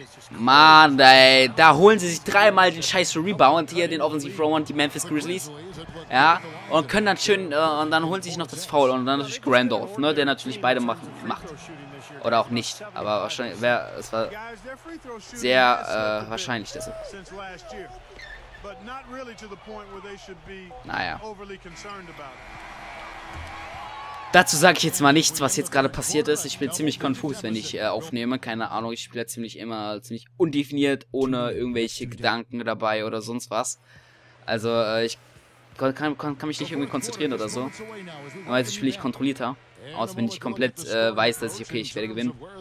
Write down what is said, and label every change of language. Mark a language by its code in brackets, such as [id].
[de] Mann, ey, da holen sie sich dreimal den scheiß Rebound hier, den Offensive Rebound, die Memphis Grizzlies. Ja, und können dann schön, und dann holen sie sich noch das Foul und dann natürlich Randolph, ne, der natürlich beide macht. Oder auch nicht, aber wahrscheinlich, es war sehr wahrscheinlich, dass er. [en] But not really to the point where they should be overly concerned about it. [de] Dazu sage ich jetzt mal nichts, was jetzt gerade passiert ist. Ich bin ziemlich konfus, wenn ich aufnehme. Keine Ahnung, ich spiele ziemlich undefiniert, ohne irgendwelche Gedanken dabei oder sonst was. Also ich kann mich nicht irgendwie konzentrieren oder so. Also spiele ich kontrollierter. Aus, wenn ich komplett weiß, dass ich, okay, ich werde gewinnen.